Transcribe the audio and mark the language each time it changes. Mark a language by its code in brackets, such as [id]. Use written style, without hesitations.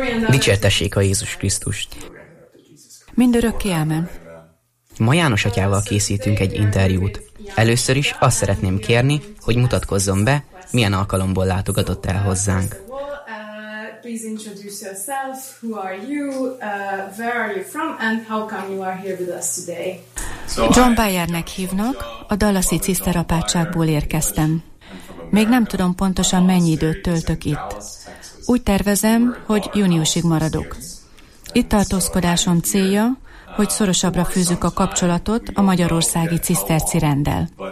[hu] Dicsértessék a Jézus Krisztust! Mindörökké, ámen! Ma János atyával készítünk egy interjút. Először is azt szeretném kérni, hogy mutatkozzon be, milyen alkalomból látogatott el hozzánk. [en] please introduce yourself. Who are you? Where are you from? And how come you are here with us today? [hu] John Bayernek hívnak, a dallasi ciszterapátságból érkeztem. Még nem tudom pontosan, mennyi időt töltök itt. Úgy tervezem, hogy júniusig maradok. Itt tartózkodásom célja, hogy szorosabbra fűzzük a kapcsolatot a magyarországi ciszterci renddel.